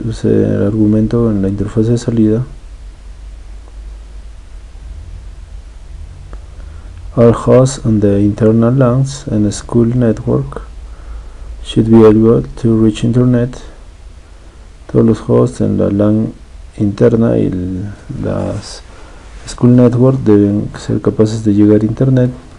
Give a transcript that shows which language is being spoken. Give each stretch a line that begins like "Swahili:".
Spanish: Use el argumento en la interfaz de salida.
English: All hosts on the internal LANs and school network should be able to reach internet.
Spanish: Todos los hosts en la LAN interna y las school network deben ser capaces de llegar a internet.